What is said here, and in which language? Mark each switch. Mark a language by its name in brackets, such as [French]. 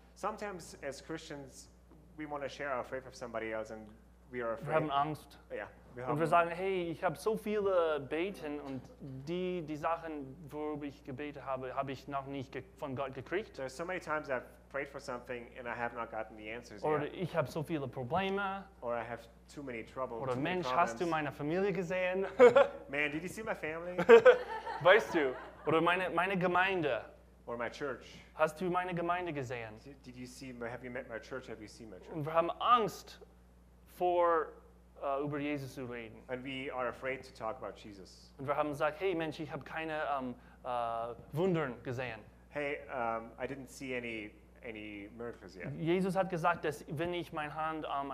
[English] Sometimes as Christians, we want to share our faith with somebody else and we are afraid. [German] Wir haben Angst. [English] Yeah, [German] we haben und wir sagen, hey, ich habe so viele Beten und die Sachen, worüber ich gebetet habe, habe ich noch nicht von Gott gekriegt. [English] There are so many times I've prayed for something and I have not gotten the answers [German] oder [English] yet. [German] Oder ich habe so viele Probleme. [English] Or I have too many troubles. [German] Oder Mensch, hast du meine Familie gesehen? [English] Man, did you see my family? [German] Weißt du? Oder meine Gemeinde. [English] Or my church. [German] Hast du meine Gemeinde gesehen? [English] Did you see, have you met my church? Have you seen my church? [German] Und wir haben Angst vor über Jesus zu reden. [English] And we are afraid to talk about Jesus. [German] Und wir haben gesagt, hey Mensch, ich habe keine Wunder gesehen. [English] Hey, I didn't see any miracles yet. [German] Jesus hat gesagt, dass wenn ich meine Hand